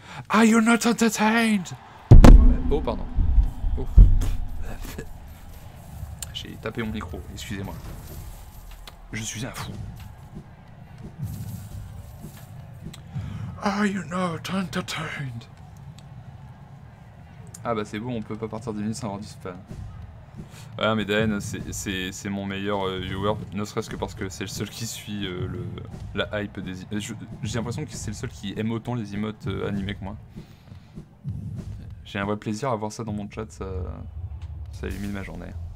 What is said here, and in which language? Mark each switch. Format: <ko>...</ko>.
<en>Are you not entertained?</en> <fr>Oh, pardon. Oh. J'ai tapé mon micro, excusez-moi. Je suis un fou.</fr> <en>Are you not entertained?</en> <fr>Ah bah c'est bon, on peut pas partir 10 minutes sans avoir du spam. Ouais mais Dan, c'est mon meilleur viewer, ne serait-ce que parce que c'est le seul qui suit la hype des... J'ai l'impression que c'est le seul qui aime autant les emotes animées que moi. J'ai un vrai plaisir à voir ça dans mon chat, ça illumine ma journée.</fr>